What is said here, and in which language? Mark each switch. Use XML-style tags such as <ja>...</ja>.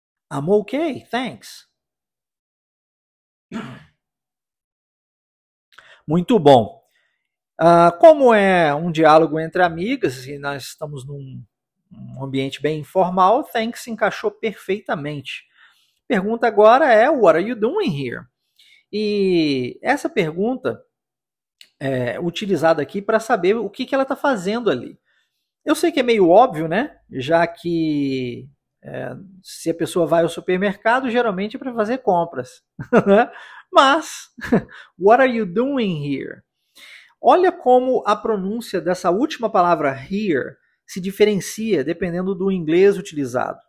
<en>I'm okay, thanks.</en> <pt>Muito bom. Como é um diálogo entre amigas e nós estamos num ambiente bem informal, thanks encaixou perfeitamente. Pergunta agora é:</pt> <en>What are you doing here?</en> <pt>E essa pergunta é utilizada aqui para saber o que que ela está fazendo ali. Eu sei que é meio óbvio, né? Já que se a pessoa vai ao supermercado, geralmente é para fazer compras. Mas,</pt> <en>what are you doing here?</en> <pt>Olha como a pronúncia dessa última palavra here se diferencia dependendo do inglês utilizado.</pt>